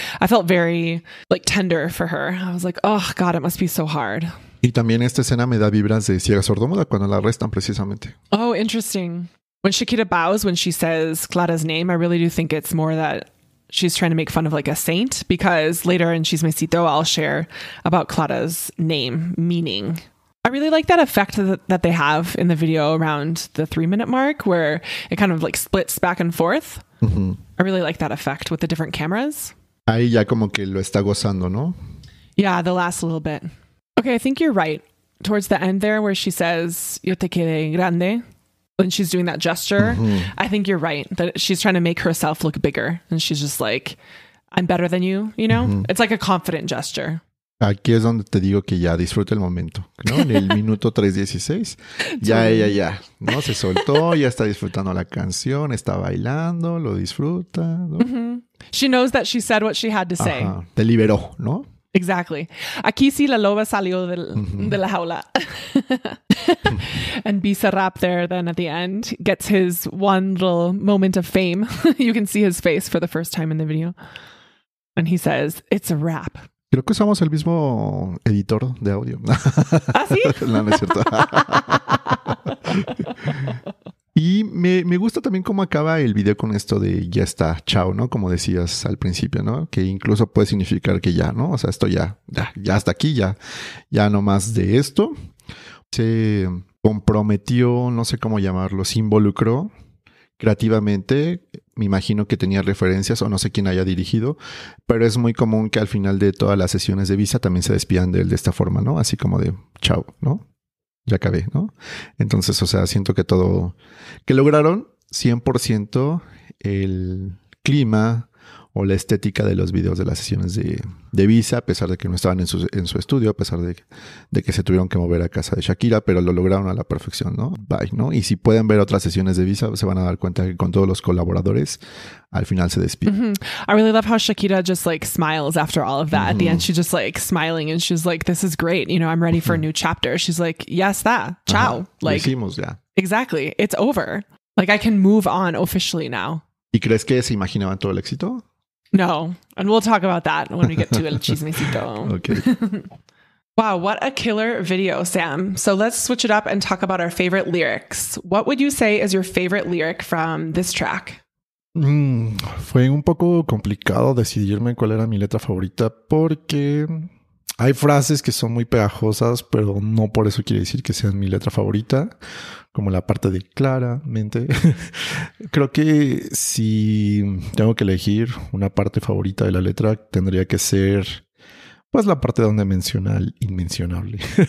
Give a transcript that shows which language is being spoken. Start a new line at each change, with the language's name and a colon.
English: I felt very like tender for her. I was like, oh God, it must be so hard.
Spanish: Y también esta escena me da vibras de ciega sordomuda cuando la arrestan precisamente.
English: Oh, interesting. When Shakira bows, when she says Clara's name, I really do think it's more that she's trying to make fun of like a saint, because later in Chismecito, I'll share about Clara's name, meaning. I really like that effect that they have in the video around the 3-minute mark where it kind of like splits back and forth. Mm-hmm. I really like that effect with the different cameras.
Spanish: Ahí ya como que lo está gozando, ¿no?
English: Yeah, the last little bit. Okay, I think you're right. Towards the end there where she says,
Spanish: yo te quede grande,
English: when she's doing that gesture, I think you're right that she's trying to make herself look bigger. And she's just like, I'm better than you, you know? Mm-hmm. It's like a confident gesture.
Spanish: Aquí es donde te digo que ya disfruta el momento, ¿no? En el minuto 3:16, ya ella ya, ¿no? Se soltó, ya está disfrutando la canción, está bailando, lo disfruta, ¿no? Mm-hmm.
English: She knows that she said what she had to say.
Spanish: Ajá. Te liberó, ¿no?
English: Exactly.
Spanish: Aquí sí la loba salió del, mm-hmm. de la jaula.
English: And Bizarrap there then at the end gets his one little moment of fame. You can see his face for the first time in the video. And he says, it's a wrap.
Spanish: Creo que usamos el mismo editor de audio. ¿Ah, sí? No, no es cierto. Y me gusta también cómo acaba el video con esto de ya está, chao, ¿no? Como decías al principio, ¿no? Que incluso puede significar que ya, ¿no? O sea, esto ya hasta aquí, ya no más de esto. Se comprometió, no sé cómo llamarlo, se involucró creativamente. Me imagino que tenía referencias o no sé quién haya dirigido, pero es muy común que al final de todas las sesiones de visa también se despidan de él de esta forma, ¿no? Así como de chao, ¿no? Ya acabé, ¿no? Entonces, o sea, siento que todo, que lograron 100% el clima o la estética de los videos de las sesiones de visa, a pesar de que no estaban en su estudio, a pesar de que se tuvieron que mover a casa de Shakira, pero lo lograron a la perfección, ¿no? Bye, ¿no? Y si pueden ver otras sesiones de visa, se van a dar cuenta que con todos los colaboradores, al final se despiden. Mm-hmm.
English: I really love how Shakira just like smiles after all of that. Mm-hmm. At the end, she's just like smiling and she's like, this is great, you know, I'm ready for a new chapter. She's like, yes, that, chao. Like,
Spanish: lo hicimos ya.
English: Exactly, it's over. Like, I can move on officially now.
Spanish: ¿Y crees que se imaginaban todo el éxito?
English: No, and we'll talk about that when we get to el chismecito. Okay. Wow, what a killer video, Sam. So let's switch it up and talk about our favorite lyrics. What would you say is your favorite lyric from this track?
Spanish: Fue un poco complicado decidirme cuál era mi letra favorita porque hay frases que son muy pegajosas, pero no por eso quiere decir que sean mi letra favorita, como la parte de claramente. Creo que si tengo que elegir una parte favorita de la letra, tendría que ser pues la parte donde menciona el inmencionable.